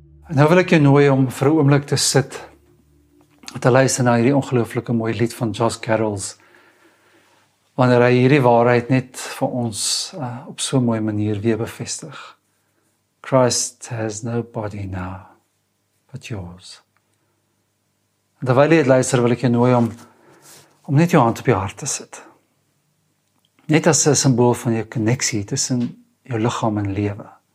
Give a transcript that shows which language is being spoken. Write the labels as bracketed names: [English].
[Afrikaans] En nou wil ek jou nooi om vir 'n oomblik te sit te luister na hierdie ongelooflike mooi lied van Josh Carrolls wanneer hy hierdie waarheid net vir ons op so 'n mooi manier weer bevestig. [English] Christ has no body now but yours. [Afrikaans] En terwyl jy het luister, wil ek jou nooi om net jou hand op jou hart te sit. Net as 'n simbool van jou koneksie tussen jou liggaam en lewe.